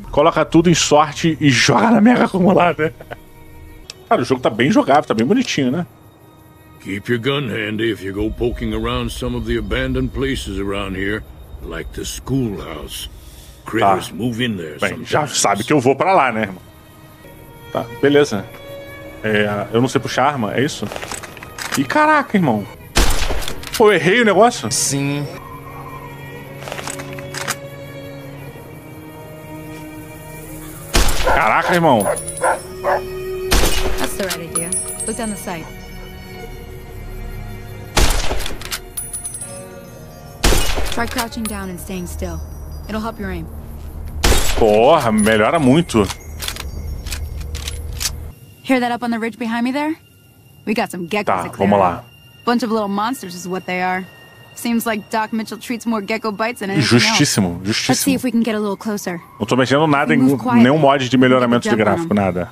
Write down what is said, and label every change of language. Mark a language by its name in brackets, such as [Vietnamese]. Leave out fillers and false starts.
[Portuguese] Coloca tudo em sorte e joga na mega acumulada. Cara, o jogo tá bem jogável, tá bem bonitinho, né? [English] Keep your gun handy if you go poking around some of the abandoned places around here, like the schoolhouse. Critters [Portuguese] tá. [English] Move in there. [Portuguese] Bem, já sabe que eu vou pra lá, né, irmão? Tá, beleza. É, eu não sei puxar arma, é isso? Ih, caraca, irmão. Pô, eu errei o negócio? Sim. Caraca, irmão. [English] That's the right idea. Look down the sight. Try crouching down and staying still. It'll help your aim. [Portuguese] Porra, melhora muito. [English] Hear that up on the ridge behind me there? We got some geckos. [Portuguese] Tá, vamos lá. [English] Bunch of little monsters is what they are. Seems like Doc Mitchell treats more gecko bites than anything. [Portuguese] Justíssimo, justíssimo. [English] Let's see if we can get a little closer. [Portuguese] Não tô mexendo nada em nenhum mod de melhoramento de gráfico, nada.